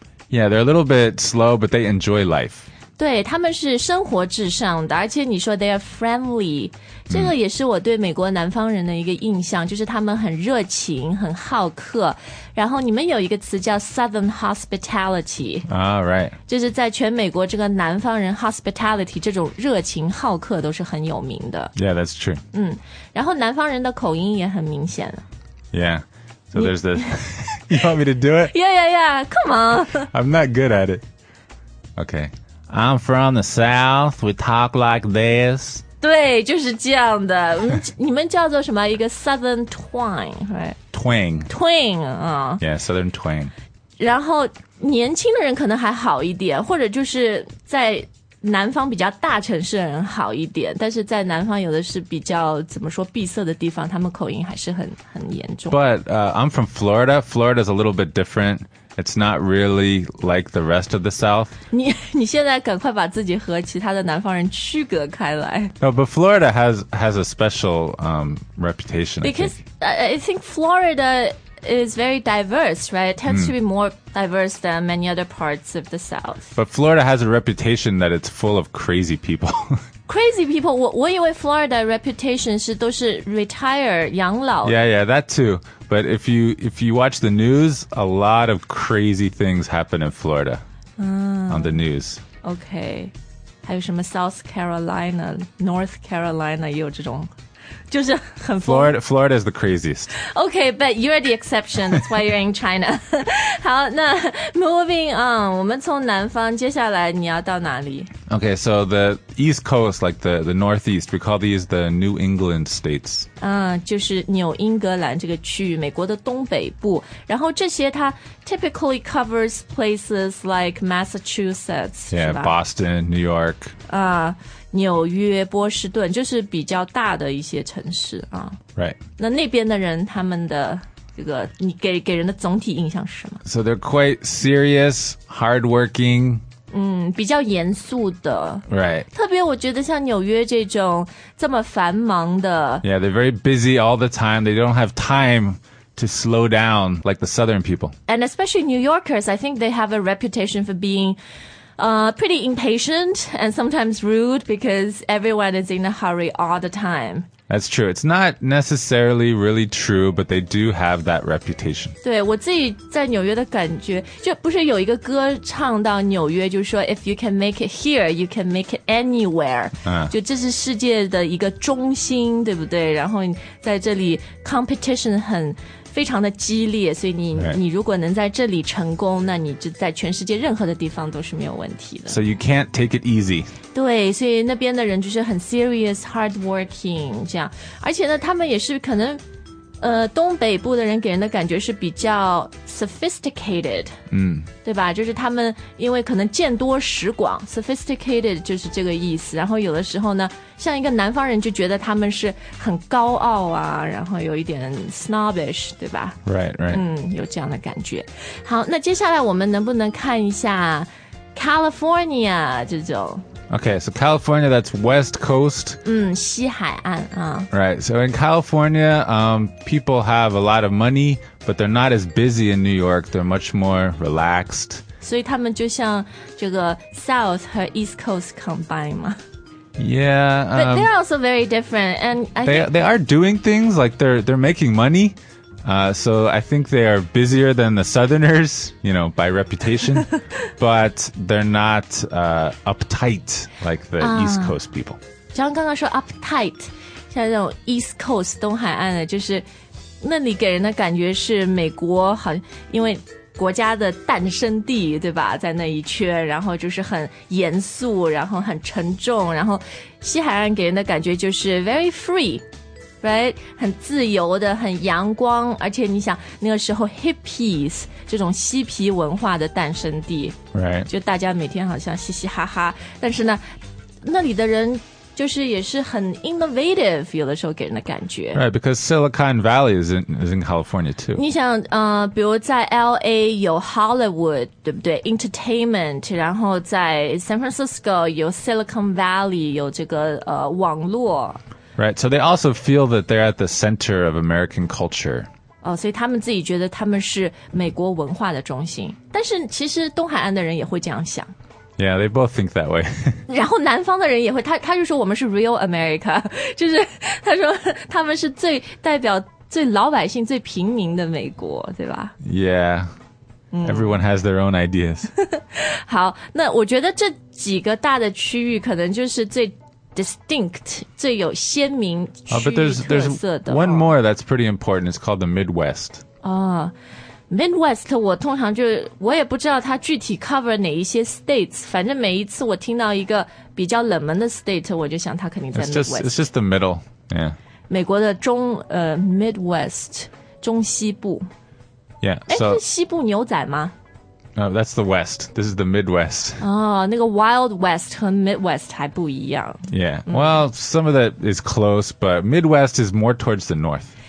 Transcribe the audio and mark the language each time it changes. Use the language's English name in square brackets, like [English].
[English] Yeah, they're a little bit slow, but they enjoy life. [Chinese] 对，他们是生活至上的，而且你说 [English] they are friendly， [Chinese] 这个也是我对美国南方人的一个印象，就是他们很热情，很好客。然后你们有一个词叫 Southern Hospitality. [English] Ah, right. [Chinese] 就是在全美国这个南方人 Hospitality 这种热情好客都是很有名的。 [English] Yeah, that's true. [Chinese] 然后南方人的口音也很明显。 [English] Yeah, so there's this. You want me to do it? Yeah, yeah, yeah, come on. I'm not good at it. Okay, I'm from the South, we talk like this. [Chinese] 对，就是这样的。你们叫做什么？一个 [English] Southern Twang, right? Twang. Twang, Yeah, Southern Twang. [Chinese] 然后年轻的人可能还好一点，或者就是在南方比较大城市的人好一点，但是在南方有的是比较怎么说闭塞的地方，他们口音还是很严重。 [English] But I'm from Florida. Florida is a little bit different. It's not really like the rest of the South. [Chinese] 你现在赶快把自己和其他的南方人区隔开来。 [English] No, but Florida has a special reputation, Because I think Florida is very diverse, right? It tends to be more diverse than many other parts of the South. But Florida has a reputation that it's full of crazy people. Crazy people? [Chinese] 我以为 Florida reputation 是都是 retire, 养老。 [English] Yeah, yeah, that too. But if you watch the news, a lot of crazy things happen in Florida on the news. Okay. [Chinese] 还有什么 South Carolina, North Carolina 也有这种。就是很 [English] Florida is the craziest. Okay, but you're the exception. That's why you're in China. [Chinese] 好，那 [English] moving on, [Chinese] 我们从南方，接下来你要到哪里？ [English] Okay, so the East Coast, like the Northeast, we call these the New England states. [Chinese] 就是纽英格兰这个区域，美国的东北部。然后这些它 typically covers places like Massachusetts, [English] Yeah, Boston, New York. [Chinese] 纽约、波士顿就是比较大的一些城市啊。 [English] Right. [Chinese] 那边的人他们的这个你给人的总体印象是什么？ [English] So they're quite serious, hardworking. [Chinese] 比较严肃的。 [English] Right. [Chinese] 特别我觉得像纽约这种这么繁忙的。 [English] Yeah, they're very busy all the time. They don't have time to slow down like the southern people. And especially New Yorkers, I think they have a reputation for being... pretty impatient and sometimes rude because everyone is in a hurry all the time. That's true. It's not necessarily really true, but they do have that reputation. [Chinese] 对，我自己在纽约的感觉，就不是有一个歌唱到纽约，就是说 [English] if you can make it here, you can make it anywhere. [Chinese] 就这是世界的一个中心，对不对？然后在这里 competition 很非常的激烈，所以 你如果能在这里成功，那你就在全世界任何的地方都是没有问题的。 [English] So you can't take it easy. [Chinese] 对，所以那边的人就是很 [English] serious, hardworking, [Chinese] 这样。而且呢，他们也是可能东北部的人给人的感觉是比较 sophisticated， 对吧，就是他们因为可能见多识广， sophisticated 就是这个意思。然后有的时候呢像一个南方人就觉得他们是很高傲啊，然后有一点 snobbish， 对吧？ [English] Right, right. [Chinese] 有这样的感觉。好，那接下来我们能不能看一下 California 这种。 [English] Okay, so California, that's West Coast. [Chinese] 西海岸啊。 [English] Right, so in California, people have a lot of money, but they're not as busy in New York. They're much more relaxed. [Chinese] 所以他们就像这个 South 和 East Coast combined 嘛。 [English] Yeah. But they're also very different. And they are doing things, like they're making money. So I think they are busier than the Southerners, you know, by reputation, but they're not uptight like the East Coast people. [Chinese] 像刚刚说 uptight, 像这种 East Coast, 东海岸的就是那里给人的感觉是美国好因为国家的诞生地对吧在那一圈然后就是很严肃然后很沉重然后西海岸给人的感觉就是 [English] very free,Right? [Chinese] 很自由的很阳光而且你想那个时候 hippies 这种嬉皮文化的诞生地、 [English] right. [Chinese] 就大家每天好像嘻嘻哈哈但是呢那里的人就是也是很 innovative 有的时候给人的感觉 [English] Right, because Silicon Valley is in California too [Chinese] 你想比如在 LA 有 Hollywood 对不对 Entertainment 然后在 San Francisco 有 Silicon Valley 有这个网络 [English] Right, so they also feel that they're at the center of American culture. Oh, so they themselves feel that they're the center of American culture. But actually, people on the East Coast also think that way. Yeah, they both think that way. And the Northern people also think that way. He said we're real America. He said they're the most representative, the most people, the most ordinary America, right? Yeah. Everyone has their own ideas. [Chinese] 好，那我觉得这几个大的区域可能就是最distinct, 最有鲜明区域特色的。 [English] But there's one more that's pretty important. It's called the Midwest. [Chinese] Midwest, 我通常就我也不知道它具体 cover 哪一些 states. 反正每一次我听到一个比较冷门的 state, 我就想它肯定在 Midwest. [English] It's just the middle. Yeah. [Chinese] 美国的中Midwest, 中西部。 [English] Yeah. [Chinese] 是西部牛仔吗？ [English] No, that's the West. This is the Midwest. [Chinese] Oh, 那个 Wild West 和 Midwest 还不一样。 [English] Yeah, well, some of that is close, but Midwest is more towards the North.